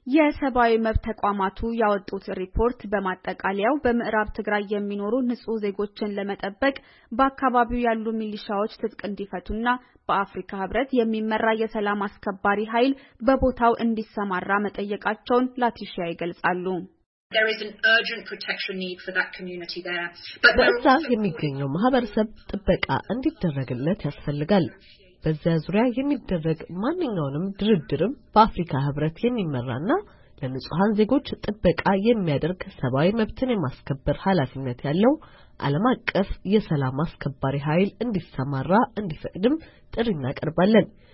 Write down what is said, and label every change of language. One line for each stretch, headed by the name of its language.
Amharic: የሰብአዊ መብት ተቋማቱ ያወጡት ሪፖርት በማጠቃለያው በምዕራብ ትግራይ የሚኖሩ ንጹህ ዜጎችን ለመጠበቅ በአካባቢው ያሉ ሚሊሻዎች ትጥቅ እንዲፈቱና በአፍሪካ ህብረት የሚመራ የሰላም አስከባሪ ኃይል በቦታው እንዲሰማራ መጠየቃቸውን ላቲሻ ይገልጻሉ።
English: There is an urgent protection need for that community there.
Amharic: በዛ የሚገኘው ማህበረሰብ ጥበቃ እንዲደረግለት ያስፈልጋል። በዚያ ዙሪያ የሚደረግ ማንኛውንም ድርድርም በአፍሪካ ህብረት የሚመራና ለንጹሃን ዜጎች ጥበቃ የሚያደርግ ሰብአዊ መብትን የማስከበር ኃላፊነት ያለው ዓለም አቀፍ የሰላም አስከባሪ ኃይል እንዲሰማራ እንዲፈቅድም ጥሪ እናቀርባለን።